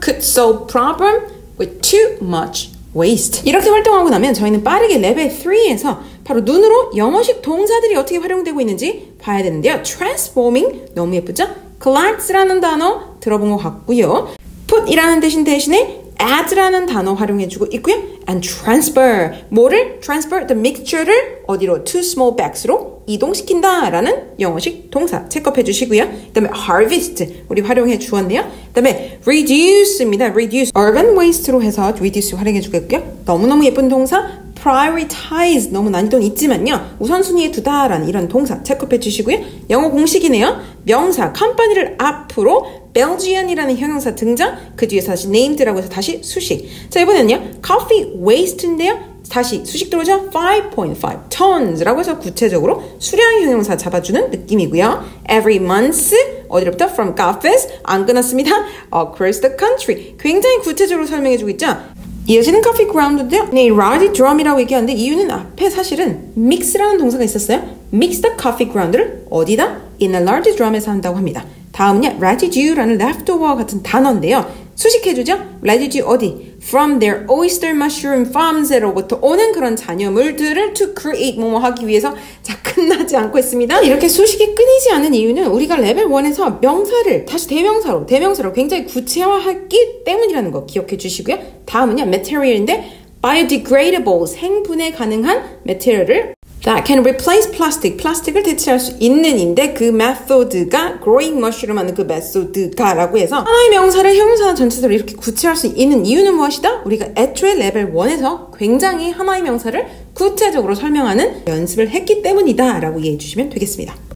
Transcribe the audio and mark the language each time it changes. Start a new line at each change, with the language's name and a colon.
English: could solve problem with too much waste.
Korean: 이렇게 활동하고 나면 저희는 빠르게 레벨 3에서 바로 눈으로 영어식 동사들이 어떻게 활용되고 있는지 봐야 되는데요. transforming 너무 예쁘죠? collect라는 단어 들어본 것 같고요. put이라는 대신에 add라는 단어 활용해주고 있고요.
English: and transfer
Korean: 뭐를?
English: transfer the mixture를
Korean: 어디로?
English: to small bags
Korean: 로 이동시킨다 라는 영어식 동사 체크업해 주시고요. 그 다음에 harvest 우리 활용해 주었네요. 그 다음에 reduce입니다.
English: reduce urban waste
Korean: 로 해서 reduce 활용해 주겠고요. 너무너무 예쁜 동사 prioritize 너무 난이도는 있지만요. 우선순위에 두다 라는 이런 동사 체크업해 주시고요. 영어 공식이네요. 명사 company를 앞으로 Belgian이라는 형용사 등장 그 뒤에서 다시 named라고 해서 다시 수식 자 이번에는요.
English: coffee waste인데요.
Korean: 다시 수식 들어오죠? 5.5 tons 라고 해서 구체적으로 수량 형용사 잡아주는 느낌이고요.
English: every month
Korean: 어디로부터?
English: from cafes
Korean: 안 끊었습니다.
English: across the country
Korean: 굉장히 구체적으로 설명해주고 있죠? 이어지는 coffee ground인데요. 네, rowdy drum이라고 얘기하는데 이유는 앞에 사실은 mix라는 동사가 있었어요.
English: mix the coffee ground를
Korean: 어디다?
English: in a large drum에서
Korean: 한다고 합니다. 다음은요. residue라는 leftover 같은 단어인데요. 수식해주죠? residue 어디?
English: from their oyster mushroom farms
Korean: 으로부터 오는 그런 잔여물들을
English: to create
Korean: 뭐뭐 하기 위해서 자 끝나지 않고 있습니다. 이렇게 수식이 끊이지 않은 이유는 우리가 레벨 1에서 명사를 다시 대명사로 굉장히 구체화하기 때문이라는 거 기억해 주시고요.
English: 다음은요, material인데 biodegradable,
Korean: 생분해 가능한
English: material을 that can replace plastic.
Korean: 플라스틱을 대체할 수 있는인데 그 메소드가
English: growing mushroom
Korean: 하는 그 메소드가 라고 해서 하나의 명사를 형용사나 전체적으로 이렇게 구체할 수 있는 이유는 무엇이다? 우리가 애초에 레벨 1에서 굉장히 하나의 명사를 구체적으로 설명하는 연습을 했기 때문이다 라고 이해해 주시면 되겠습니다.